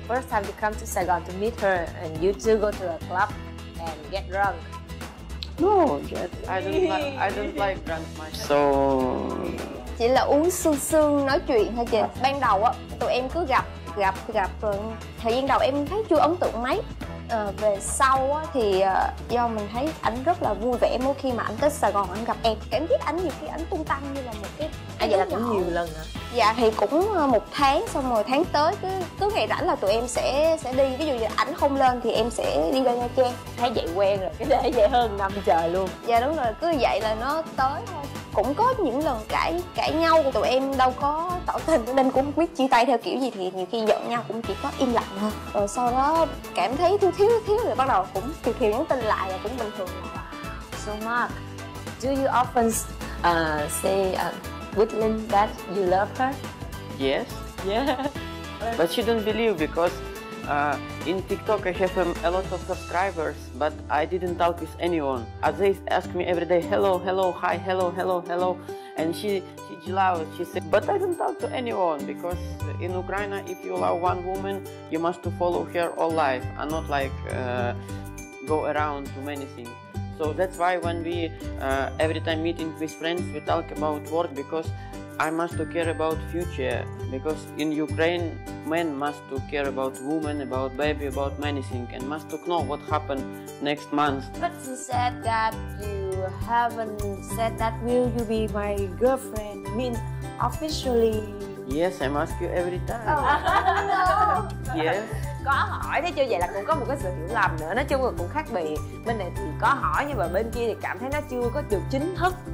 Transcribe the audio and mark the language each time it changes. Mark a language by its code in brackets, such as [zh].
[en] First time you come to Saigon to meet her and you two go to a club and get drunk. No, yet. I don't like drunk much. So [vi] chỉ là uống sương sương nói chuyện thôi chị. Ban đầu á tụi em cứ gặp rồi thời gian đầu em thấy chưa ấn tượng mấy. Về sau á thì do mình thấy ảnh rất là vui vẻ mỗi khi mà ảnh tới Sài Gòn ảnh gặp em. Cảm giác ảnh nhiều khi ảnh tung tăng như là một cái vậy là cũng nhiều lần hả? Dạ thì cũng một tháng, xong rồi tháng tới cứ ngày rảnh là tụi em sẽ đi, ví dụ như ảnh không lên thì em sẽ đi ra Nha Trang. Thấy vậy quen rồi, cái để vậy hơn năm trời luôn. Dạ đúng rồi, cứ vậy là nó tới thôi. Cũng có những lần cãi nhau của tụi em đâu có tỏ tình nên cũng không biết chia tay theo kiểu gì, thì nhiều khi giận nhau cũng chỉ có im lặng thôi. Rồi sau đó cảm thấy thiếu rồi bắt đầu cũng thì nhắn tin lại là cũng bình thường. [en] So Mark, do you often say Whitlin that you love her? Yes. Yeah. But she don't believe because In TikTok I have a lot of subscribers, but I didn't talk with anyone. Aziz asked me every day, hello, hello, hi, hello, hello, hello. And she loved, she said, but I don't talk to anyone, because in Ukraine, if you love one woman, you must to follow her all life, and not like go around too many things. So that's why when we every time meeting with friends, we talk about work, because I must to care about future, because in Ukraine, men must to care about women, about baby, about many things, and must to know what happened next month. But you said that you haven't said that will you be my girlfriend, I mean officially. Yes, I ask you every time. Oh, no. Yes. [vi] Có hỏi thế chứ, vậy là cũng có một cái sự hiểu lầm nữa. Nói chung là cũng khác biệt. Bên này thì có hỏi nhưng mà bên kia thì cảm thấy nó chưa có được chính thức.